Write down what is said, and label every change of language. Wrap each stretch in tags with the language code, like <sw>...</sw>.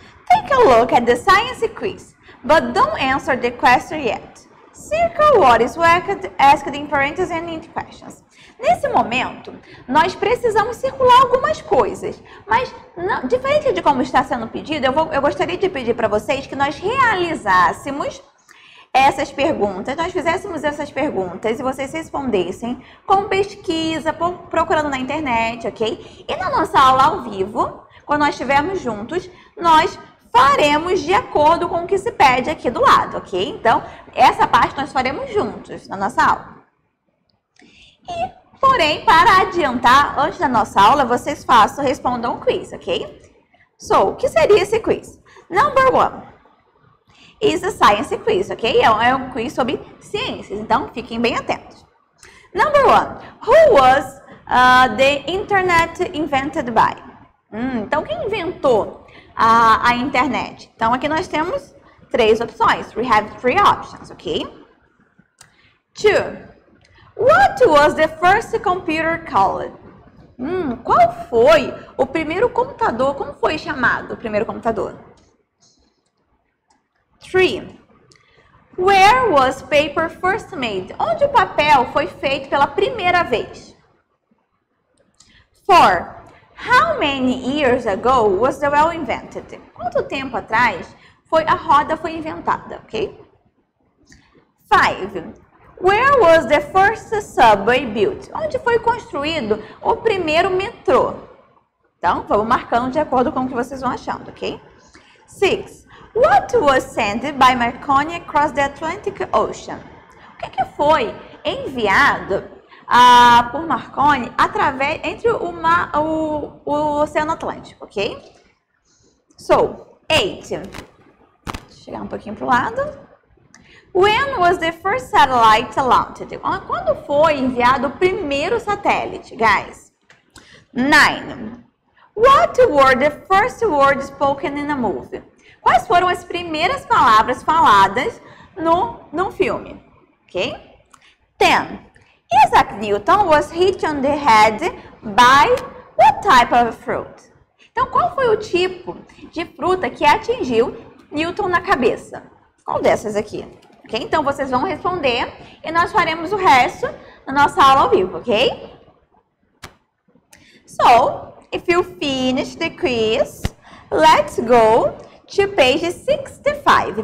<en>Take a look at the science quiz, but don't answer the question yet. Circle what is asked in parentheses and in questions.</en> <pt>Nesse momento, nós precisamos circular algumas coisas, mas não, diferente de como está sendo pedido, eu gostaria de pedir para vocês que nós realizássemos essas perguntas, nós fizéssemos essas perguntas e vocês respondessem com pesquisa, procurando na internet, ok? E na nossa aula ao vivo, quando nós estivermos juntos, nós faremos de acordo com o que se pede aqui do lado, ok? Então, essa parte nós faremos juntos na nossa aula. E, porém, para adiantar, antes da nossa aula, vocês façam, respondam um quiz, ok?</pt> <en>So,</en> <pt>o que seria esse quiz?</pt> <en>Number one. Is a science quiz, ok?</en> <pt>É um quiz sobre ciências, então fiquem bem atentos.</pt> <en>Number one, who was the internet invented by?</en> <pt>Então, quem inventou a internet? Então, aqui nós temos três opções.</pt> <en>We have three options, ok? Two, what was the first computer called?</en> <pt>Qual foi o primeiro computador? Como foi chamado o primeiro computador?</pt> <en>3. Where was paper first made?</en> <pt>Onde o papel foi feito pela primeira vez?</pt> <en>4. How many years ago was the wheel invented?</en> <pt>Quanto tempo atrás foi a roda foi inventada, ok? 5.</pt> <en>Where was the first subway built?</en> <pt>Onde foi construído o primeiro metrô? Então, vamos marcando de acordo com o que vocês vão achando, ok?</pt> <en>6. What was sent by Marconi across the Atlantic Ocean?</en> <pt>O que foi enviado por Marconi através entre o mar, o Oceano Atlântico, ok? So, 8. Deixa eu chegar um pouquinho para o lado.</pt> <en>When was the first satellite launched?</en> <pt>Quando foi enviado o primeiro satélite,</pt> <en>guys? 9. What were the first words spoken in a movie?</en> <pt>Quais foram as primeiras palavras faladas no filme?</pt> <en>Ok? 10. Isaac Newton was hit on the head by what type of fruit?</en> <pt>Então, qual foi o tipo de fruta que atingiu Newton na cabeça? Qual dessas aqui? Ok? Então, vocês vão responder e nós faremos o resto na nossa aula ao vivo, ok?</pt> <en>So, if you finish the quiz, let's go to page 65.</en>